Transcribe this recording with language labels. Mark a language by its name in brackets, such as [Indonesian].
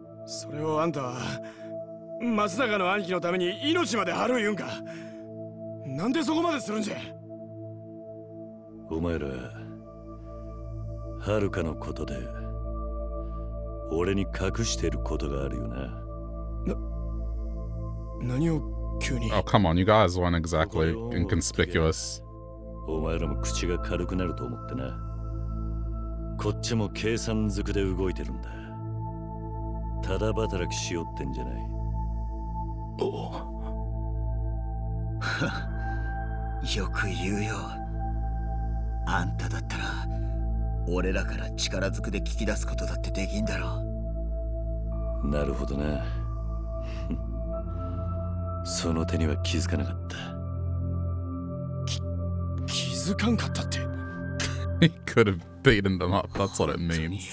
[Japanese] それをあんたは松坂の兄貴のために命まで張る言うんか。なんでそこまでするんじゃ。お前ら、遥のことで俺に隠してることがあるよな。な、何を急に。 [English] Oh, come on, you guys weren't exactly inconspicuous. [Japanese] お前らも口が軽くなると思ってな。こっちも計算づくで動いてるんだ。ただ働きしようってんじゃない。おお。よく言うよ。あんただったら、俺らから力ずくで聞き出すことだってできんだろう。なるほどな。その手には気づかなかった。気づかんかったって。 [English] He could have beaten them up, that's what it means.